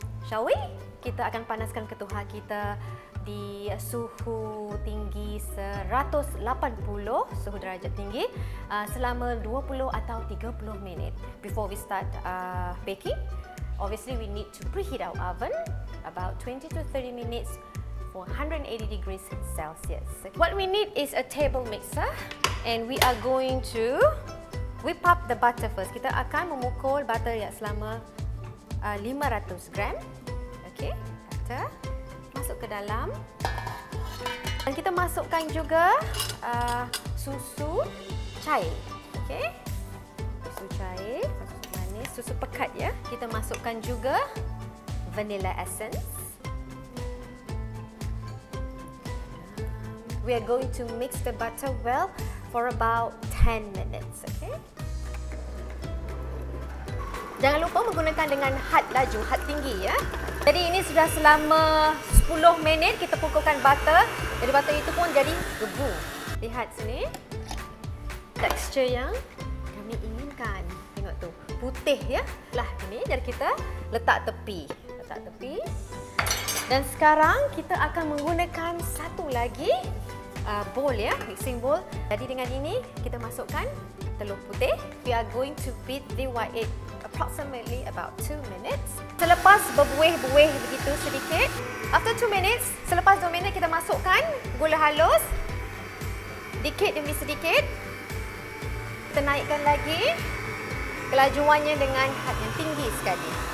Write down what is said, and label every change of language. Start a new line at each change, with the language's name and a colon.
English: Shall we?
Malay: Kita akan panaskan ketuhar kita di suhu tinggi 180, suhu darjah tinggi, selama 20 atau 30 minit.
English: Before we start baking, obviously we need to preheat our oven about 20 to 30 minutes for 180 degrees Celsius. Okay. What we need is a table mixer and we are going to whip up the butter first.
Malay: Kita akan memukul butter yang selama 500 gram. Okey, butter masuk ke dalam. Dan kita masukkan juga susu cair. Okey. Susu cair, susu manis, susu pekat ya. Kita masukkan juga vanilla essence.
English: We are going to mix the butter well for about 10 minutes, okay?
Malay: Jangan lupa menggunakan dengan had laju, had tinggi ya. Jadi ini sudah selama 10 minit kita pukulkan butter. Jadi butter itu pun jadi debu. Lihat sini. Tekstur yang kami inginkan. Tengok tu, putih ya. Lah ini jadi kita letak tepi. Letak tepi. Dan sekarang kita akan menggunakan satu lagi bowl ya, mixing bowl. Jadi dengan ini kita masukkan telur putih.
English: We are going to beat the white egg approximately about 2 minutes.
Malay: Selepas berbuih-buih begitu sedikit,
English: after 2 minutes,
Malay: selepas 2 minit kita masukkan gula halus. Dikit demi sedikit. Kita naikkan lagi kelajuannya dengan had yang tinggi sekali.